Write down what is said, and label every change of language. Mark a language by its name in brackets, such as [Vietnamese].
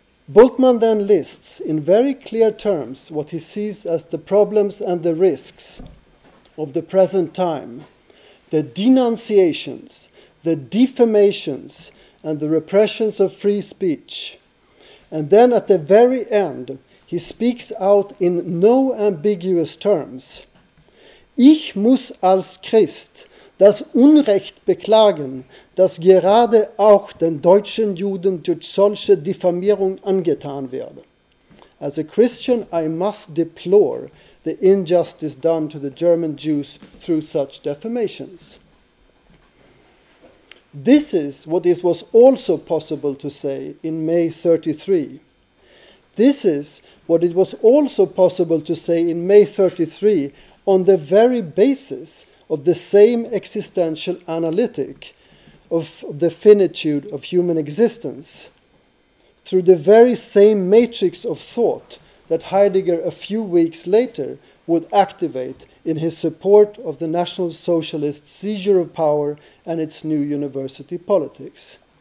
[English] Bultmann then lists in very clear terms what he sees as the problems and the risks of the present time, the denunciations, the defamations, and the repressions of free speech. And then at the very end, he speaks out in no ambiguous terms. [German] Ich muss als Christ das Unrecht beklagen, dass gerade auch den deutschen Juden durch solche Diffamierung angetan werde. [English] As a Christian, I must deplore the injustice done to the German Jews through such defamations. This is what it was also possible to say in May 33. This is what it was also possible to say in May 33 on the very basis of the same existential analytic of the finitude of human existence, through the very same matrix of thought that Heidegger a few weeks later would activate in his support of the National Socialist seizure of power and its new university politics.